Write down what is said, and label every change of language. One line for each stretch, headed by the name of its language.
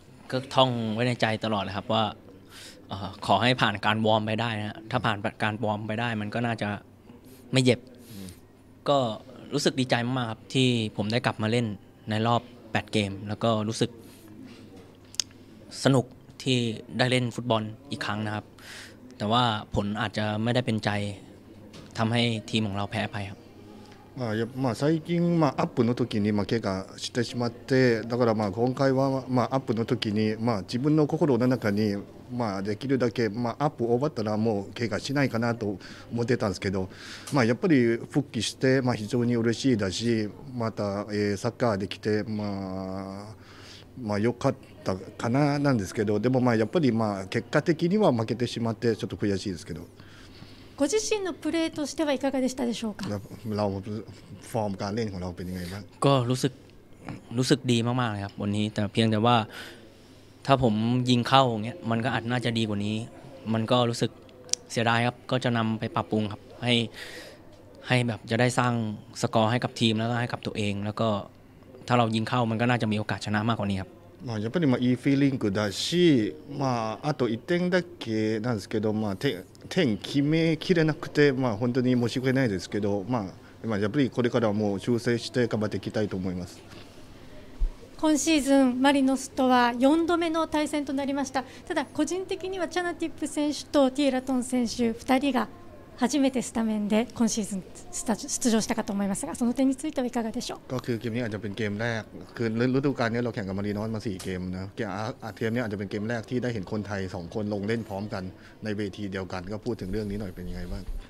Thai: ก็ท่องไว้ในใจตลอดเลยครับว่าขอให้ผ่านการวอร์มไปได้นะถ้าผ่านการวอร์มไปได้มันก็น่าจะไม่เจ็บก็รู้สึกดีใจมากครับที่ผมได้กลับมาเล่นในรอบ8เกมแล้วก็รู้สึกสนุกที่ได้เล่นฟุตบอลอีกครั้งนะครับแต่ว่าผลอาจจะไม่ได้เป็นใจทำให้ทีมของเราแพ้ไปครับ
Japanese: まあ最近まあアップの時にまあ怪我してしまってだからまあ今回はまあアップの時にまあ自分の心の中にまあできるだけまあアップ終わったらもう怪我しないかなと思ってたんですけどまあやっぱり復帰してまあ非常に嬉しいだしまたサッカーできてまあ良かったかななんですけど、でもまあやっぱりまあ結果的には負けてしまってちょっと悔しいですけど。ご自身のプレーとしてはいかがでしたでしょうか。
Thai: เราฟอร์มการเล่นของเราเป็นยังไงบ้าง。 ก็รู้สึกดีมากๆครับวันนี้แต่เพียงแต่ว่าถ้าผมยิงเข้าอย่างเงี้ยมันก็อาจน่าจะดีกว่านี้มันก็รู้สึกเสียดายครับก็จะนำไปปรับปรุงครับให้แบบจะได้สร้างสกอร์ให้กับทีมแล้วก็ให้กับตัวเองแล้วก็ถ้าเรายิงเข้ามันก็น่าจะมีโอกาสชนะมากกว่านี้ครับ
Japanese: まあやっぱりまあいいフィーリングだし、まああと1点だけなんですけど、まあ点決めきれなくて、まあ本当に申し訳ないですけど、まあやっぱりこれからはもう修正して頑張っていきたいと思います。今シーズンマリノスとは4度目の対戦となりました。ただ個人的にはチャナティップ選手とティエラトン選手2人が初めてスタメンで今シーズン出場したかと思いますが、その点についてはいかがでしょう。
Thai: ก็คือเกมนี้อาจจะเป็นเกมแรกคือฤดูกาลนี้เราแข่งกับมารีนอสมา4เกมนะเกมนี้อาจจะเป็นเกมแรกที่ได้เห็นคนไทย2คนลงเล่นพร้อมกันในเวทีเดียวกันก็พูดถึงเรื่องนี้หน่อยเป็นยังไงบ้าง